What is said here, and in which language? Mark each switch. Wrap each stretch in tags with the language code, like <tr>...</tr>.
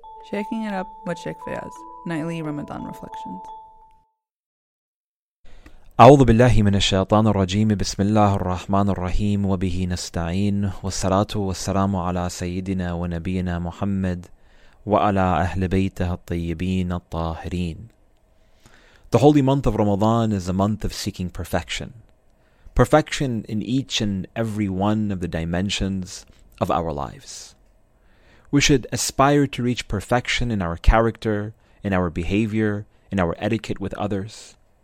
<en>Shaking it up with Sheikh Fayaz, nightly Ramadan reflections.</en> <ar>أعوذ بالله من الشيطان الرجيم بسم الله الرحمن الرحيم وبه نستعين والصلاة والسلام على سيدنا ونبينا محمد وعلى أهل بيته الطيبين الطاهرين.</ar> <en>The holy month of Ramadan is a month of seeking perfection. Perfection in each and every one of the dimensions of our lives. We should aspire to reach perfection in our character, in our behavior, in our etiquette with others.</en>